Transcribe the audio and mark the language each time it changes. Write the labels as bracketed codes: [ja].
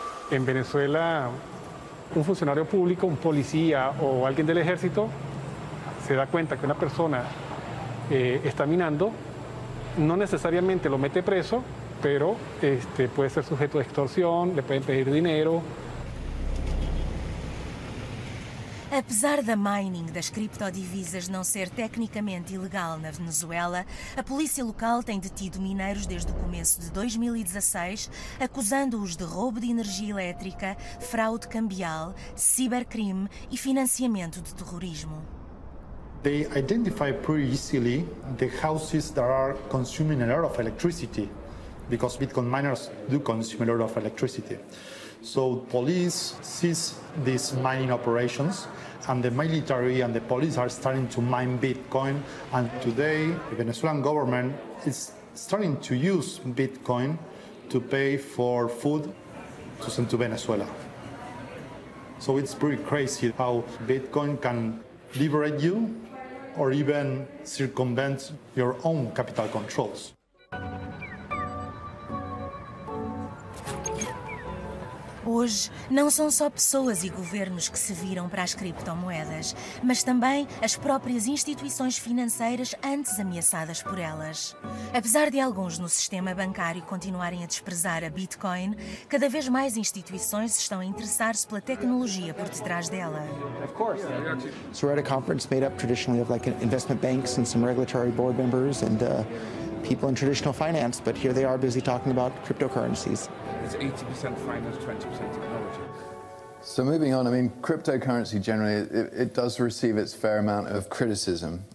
[es] En Venezuela, un funcionario público, un policía o alguien del ejército se da cuenta que una persona está minando, no necesariamente lo mete preso, pero puede ser sujeto de extorsión, le pueden pedir dinero. [pt] Apesar da mining das criptodivisas não ser tecnicamente ilegal na Venezuela, a polícia local tem detido mineiros desde o começo de 2016, acusando-os de roubo de energia elétrica, fraude cambial, cibercrime e financiamento de terrorismo. [en] They identify pretty easily the houses that are consuming a lot of electricity, because Bitcoin miners do consume a lot of electricity. So police sees these mining operations, and the military and the police are starting to mine Bitcoin. And today, the Venezuelan government is starting to use Bitcoin to pay for food to send to Venezuela. So it's pretty crazy how Bitcoin can liberate you or even circumvent your own capital controls. O [pt] Hoje, não são só pessoas e governos que se viram para as criptomoedas, mas também as próprias instituições financeiras antes ameaçadas por elas. Apesar de alguns no sistema bancário continuarem a desprezar a Bitcoin, cada vez mais instituições estão a interessar-se pela tecnologia por detrás dela. [en] So we're at a conference made up traditionally of like investment banks and some regulatory board members and people in traditional finance, but here they are busy talking about cryptocurrencies. It's 80% finance, 20% technology. So moving on, I mean, cryptocurrency generally, it does receive its fair amount of criticism.